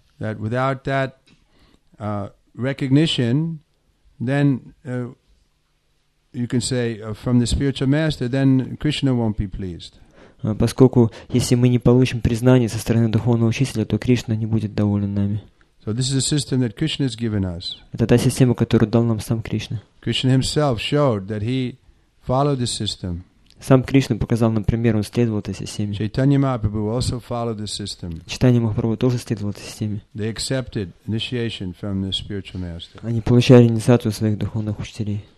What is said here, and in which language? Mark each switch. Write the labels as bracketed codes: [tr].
[en] That without that recognition, then you can say from the spiritual master, then Krishna won't be pleased. [ru] Поскольку если мы не получим признание со стороны духовного учителя, то Кришна не будет доволен нами. [en] So this is a system that Krishna has given us. [ru] Это та система, которую дал нам сам Кришна. [en] Krishna himself showed that he followed this system. [ru] Сам Кришна показал нам пример, он следовал этой системе. [en] Chaitanya Mahaprabhu also followed this system. [ru] Чайтанья Махапрабху тоже следовал этой системе. [en] They accepted initiation from the spiritual master. [ru] Они получали инициацию своих духовных учителей.